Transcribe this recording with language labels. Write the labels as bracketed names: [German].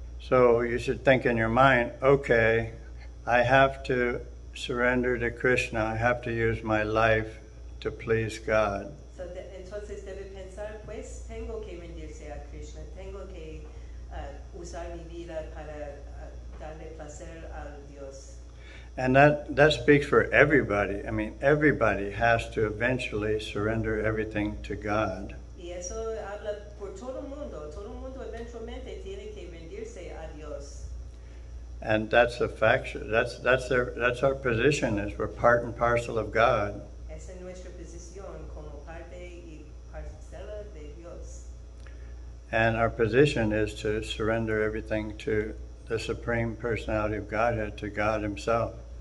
[English] So you should think in your mind, okay, I have to surrender to Krishna. I have to use my life to please God. [Spanish] So entonces debe pensar, pues tengo que rendirse a Krishna. Tengo que usar mi vida para darle placer al Dios. [English] And that speaks for everybody. I mean, everybody has to eventually surrender everything to God. [Spanish] Y eso habla por todo el mundo. Todo el mundo eventualmente tiene que rendirse a Dios. [English] And that's a fact. That's our position, is we're part and parcel of God. [Spanish] Esa es nuestra posición como parte y parcela de Dios. [English] And our position is to surrender everything to the Supreme Personality of Godhead, to God Himself.